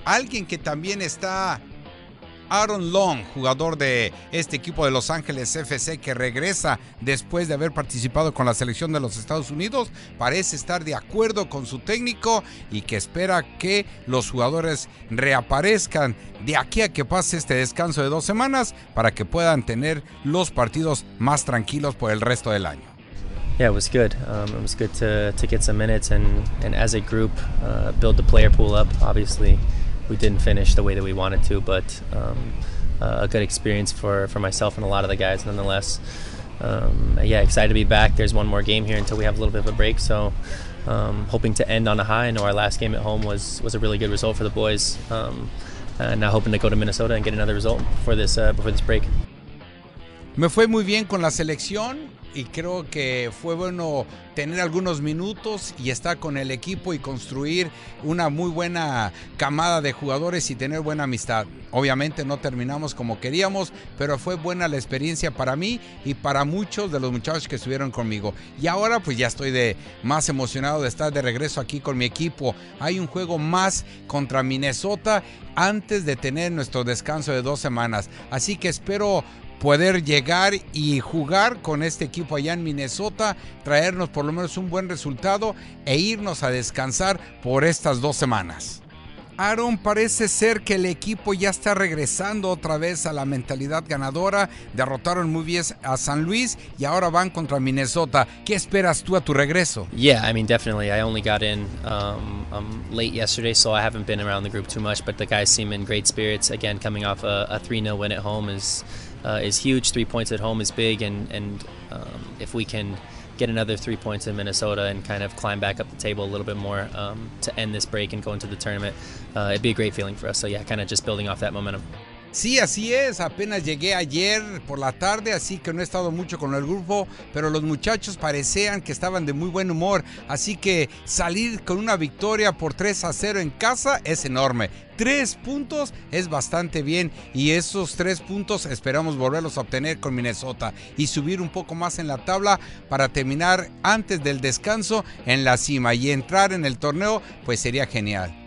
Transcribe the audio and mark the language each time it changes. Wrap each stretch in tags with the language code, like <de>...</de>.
<es>Alguien que también está, Aaron Long, jugador de este equipo de Los Ángeles FC, que regresa después de haber participado con la selección de los Estados Unidos, parece estar de acuerdo con su técnico y que espera que los jugadores reaparezcan de aquí a que pase este descanso de dos semanas para que puedan tener los partidos más tranquilos por el resto del año.</es> <en>Yeah, it was good. It was good to get some minutes and as a group build the player pool up. Obviously, we didn't finish the way that we wanted to, but a good experience for myself and a lot of the guys nonetheless. Yeah, excited to be back. There's one more game here until we have a little bit of a break, so hoping to end on a high. I know our last game at home was a really good result for the boys, and now hoping to go to Minnesota and get another result before this break.</en> <es>Me fue muy bien con la selección y creo que fue bueno tener algunos minutos y estar con el equipo y construir una muy buena camada de jugadores y tener buena amistad. Obviamente no terminamos como queríamos, pero fue buena la experiencia para mí y para muchos de los muchachos que estuvieron conmigo. Y ahora pues ya estoy más emocionado de estar de regreso aquí con mi equipo. Hay un juego más contra Minnesota antes de tener nuestro descanso de 2 semanas. Así que espero poder llegar y jugar con este equipo allá en Minnesota, traernos por lo menos un buen resultado e irnos a descansar por estas 2 semanas. Aaron, parece ser que el equipo ya está regresando otra vez a la mentalidad ganadora. Derrotaron muy bien a San Luis y ahora van contra Minnesota. ¿Qué esperas tú a tu regreso?</es> <en>Yeah, I mean, definitely. I only got in late yesterday, so I haven't been around the group too much, but the guys seem in great spirits. Again, coming off a 3-0 win at home is huge. 3 points at home is big, and if we can get another 3 points in Minnesota and kind of climb back up the table a little bit more to end this break and go into the tournament, it'd be a great feeling for us. So yeah, kind of just building off that momentum.</en> <es>Sí, así es. Apenas llegué ayer por la tarde, así que no he estado mucho con el grupo, pero los muchachos parecían que estaban de muy buen humor. Así que salir con una victoria por 3-0 en casa es enorme. 3 puntos es bastante bien y esos 3 puntos esperamos volverlos a obtener con Minnesota y subir un poco más en la tabla para terminar antes del descanso en la cima y entrar en el torneo, pues sería genial.</es>